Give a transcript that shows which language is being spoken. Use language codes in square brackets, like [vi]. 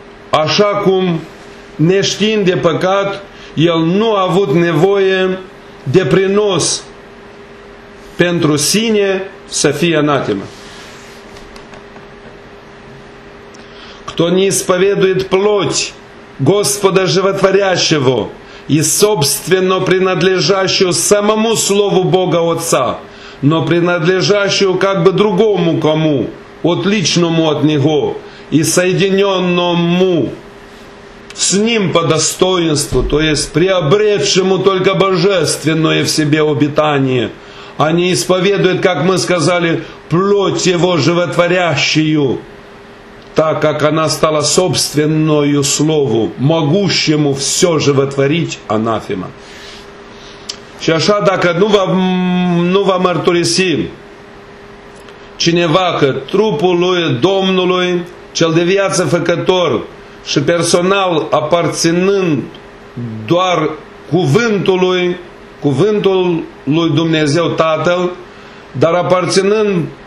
[ro] așa cum, neștiind de păcat, el nu a avut nevoie de prinos pentru sine să fie anatemă. [ru] Кто не исповедует плоть Господа животворящего и собственно принадлежащую самому Слову Бога Отца, но принадлежащую как бы другому кому, отличному от Него и соединенному с Ним по достоинству, то есть приобретшему только божественное в себе обитание, а не исповедует, как мы сказали, плоть Его животворящую, так как она стала собственною Слову, могущему все животворить, анафема. [ro] Și așa, dacă nu va mărturisi cineva că trupul lui Domnului, cel de viață făcător și personal aparținând doar cuvântului, cuvântul lui Dumnezeu Tatăl, dar aparținând